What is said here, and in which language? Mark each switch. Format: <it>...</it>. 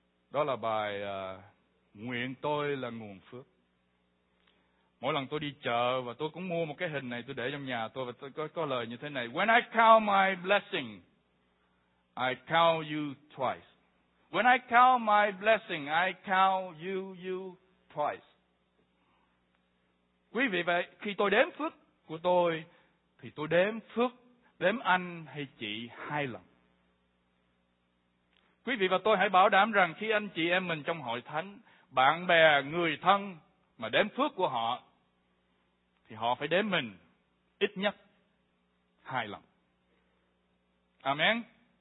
<vi>Đó là bài Nguyện tôi là nguồn phước. Mỗi lần tôi đi chợ và tôi cũng mua một cái hình này, tôi để trong nhà tôi và tôi có lời như thế này:</vi> <en>When I count my blessing, I count you twice. When I count my blessing, I count you twice.</en> <vi>Quý vị vậy, khi tôi đếm phước của tôi, thì tôi đếm phước, đếm anh hay chị hai lần. Quý vị và tôi hãy bảo đảm rằng khi anh chị em mình trong hội thánh, bạn bè, người thân mà đếm phước của họ, thì họ phải đếm mình ít nhất hai lần. Amen.</vi>